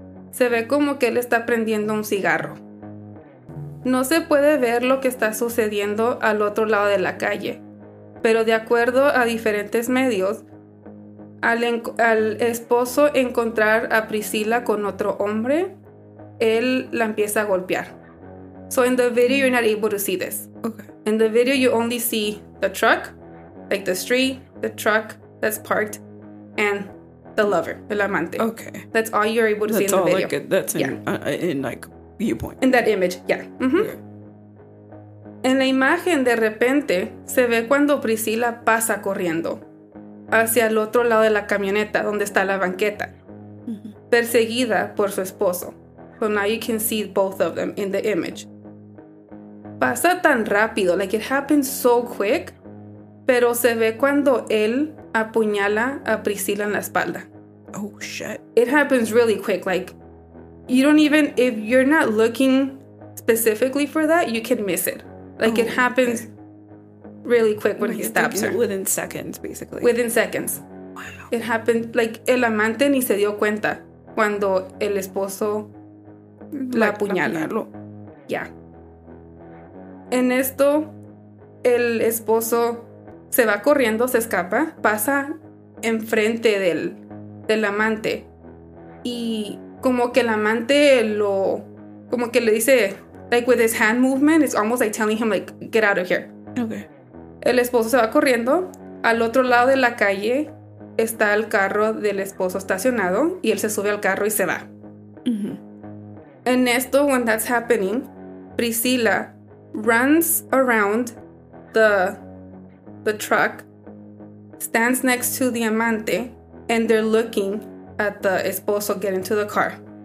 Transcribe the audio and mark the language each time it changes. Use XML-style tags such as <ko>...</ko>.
<es>Se ve como que él está prendiendo un cigarro. No se puede ver lo que está sucediendo al otro lado de la calle, pero de acuerdo a diferentes medios, al esposo encontrar a Priscila con otro hombre, él la empieza a golpear.</es> <en>So in the video, you're not able to see this. Okay. In the video, you only see the truck. Like the street, the truck that's parked, and the lover,</en> <es>el amante.</es> <en>Okay. That's all you're able to that's see in the video. That's all, like, that's in, yeah. In, like, viewpoint. In that image, yeah. Mm-hmm. Okay.</en> <es>En la imagen, de repente, se ve cuando Priscila pasa corriendo hacia el otro lado de la camioneta, donde está la banqueta, mm-hmm. perseguida por su esposo.</es> <en>So now you can see both of them in the image.</en> <es>Pasa tan rápido,</es> <en>like, it happens so quick.</en> <es>Pero se ve cuando él apuñala a Priscila en la espalda.</es> <en>Oh, shit. It happens really quick. Like, you don't even, if you're not looking specifically for that, you can miss it. Like, it happens okay. really quick when he stabs her. Within seconds, basically. Within seconds. Wow. It happened, like,</en> <es>el amante ni se dio cuenta cuando el esposo la apuñala. Yeah. En esto, el esposo se va corriendo, se escapa, pasa enfrente del amante. Y como que el amante lo... Como que le dice,</es> <en>like with his hand movement, it's almost like telling him, like, get out of here. Okay.</en> <es>El esposo se va corriendo. Al otro lado de la calle está el carro del esposo estacionado. Y él se sube al carro y se va. En esto,</es> <en>when that's happening, Priscila runs around the truck, stands next to the amante, and they're looking at the esposo get into the car.</en>